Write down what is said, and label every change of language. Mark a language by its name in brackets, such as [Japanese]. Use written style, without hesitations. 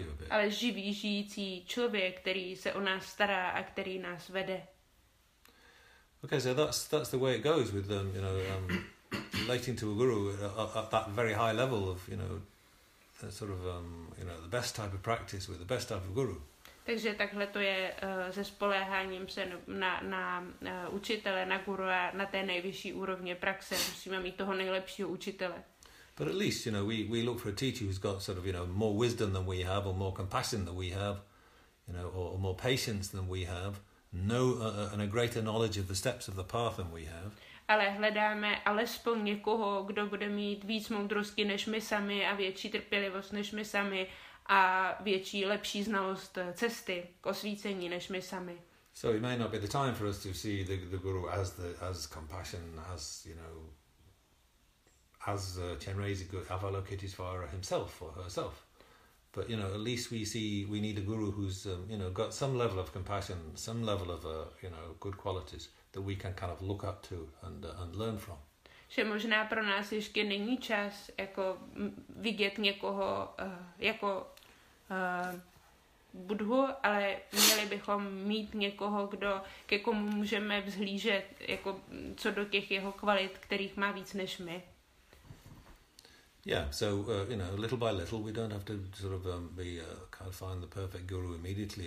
[Czech] Ale živý žijící člověk, který se o nás stará a který nás vede. [English] Okay, so that's the way it goes with them, you know, relating to a guru at that very high level of, you know, sort of, you know, the best type of practice with the best type of guru. [Czech] Takže takhle to je se spoléháním se na učitele, na guru a na té nejvyšší úrovně praxe. Musíme mít toho nejlepšího učitele. [English] But at least, you know, we look for a teacher who's got sort of, you know, more wisdom than we have, or more compassion than we have, you know, or more patience than we have, and a greater knowledge of the steps of the path than we have. [Czech] Ale hledáme alespoň někoho, kdo bude mít víc moudrosti než my sami a větší trpělivost než my sami a větší, lepší znalost cesty k osvícení než my sami. [English] So it may not be the time for us to see the guru as the as compassion, as, you know, as Chenrezig Avalokiteshvara himself or herself. But, you know, at least we see we need a guru who's, you know, got some level of compassion, some level of, you know, good qualities that we can kind of look up to and learn from. [Czech] Že možná pro nás ještě není čas jako vidět někoho jako Budhu, ale měli bychom mít někoho, kdo ke komu můžeme vzhlížet jako co do těch jeho kvalit, kterých má víc než my. [English] Yeah, so you know, little by little, we don't have to sort of be kind of find the perfect guru immediately.